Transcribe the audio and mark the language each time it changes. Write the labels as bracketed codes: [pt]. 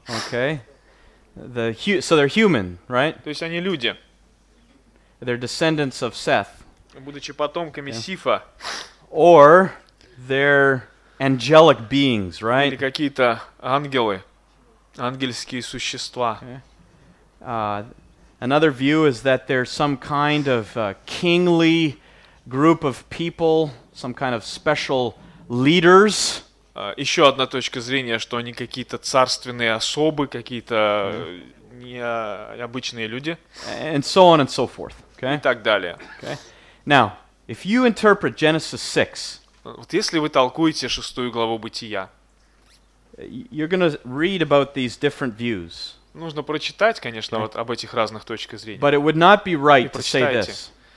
[en] Okay. So they're human, right? [ru] То есть они люди. [en] They're descendants of Seth. [ru] Будучи потомками Сифа. [en] Or they're angelic beings, right? [ru] Или какие-то ангелы, ангельские существа. [en] Another view is that they're some kind of kingly group of people, some kind of special leaders. [ru] Еще одна точка зрения, что они какие-то царственные особы, какие-то необычные люди. [en] And so on and so forth. Okay. [ru] И так далее. [en] Okay. Now, if you interpret Genesis 6, [ru] вот если вы толкуете шестую главу Бытия, [en] you're gonna read about these different views. [ru] Нужно прочитать, конечно, вот об этих разных точках зрения. [en] But it would not be right to say this.